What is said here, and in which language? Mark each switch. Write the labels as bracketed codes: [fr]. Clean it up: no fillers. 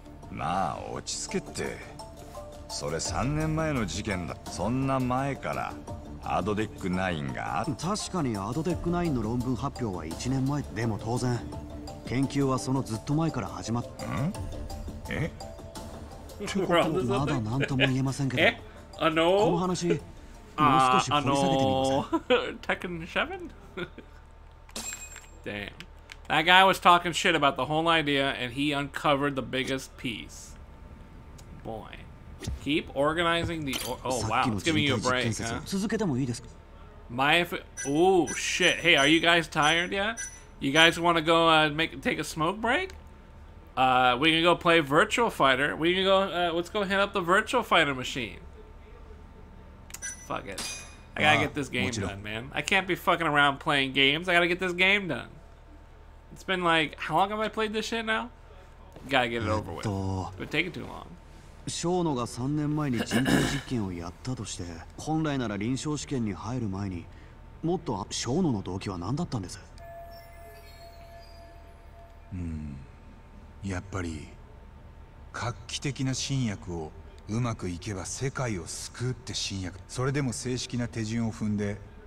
[ja] まあ落ち着けって。それ3年前の事件だ。そんな前からアドデック9が。確かにアドデック9の論分発表は1年前。でも当然研究はそのずっと前から始まっ。ん？え？ちょっとまだ何とも言えませんけど。え？あの、この話もう少し掘り下げてみますか。 [en] That guy was talking shit about the whole idea, and he uncovered the biggest piece. Boy. Keep organizing the... Oh, wow. It's giving you a break, huh? Oh, shit. Hey, are you guys tired yet? You guys want to go take a smoke break? We can go play Virtual Fighter. We can go... let's go hit up the Virtual Fighter machine. Fuck it. I gotta get this game done, man. I can't be fucking around playing games. I gotta get this game done. It's been like, how long have I played this shit now? Gotta get it over with. But taking too long. [ja] Shono が 3年前に人体実験をやったとして、本来なら臨床試験に入る前に、もっとShonoの動機は何だったんです？やっぱり画期的な新薬をうまくいけば世界を救うって新薬。それでも正式な手順を踏んで。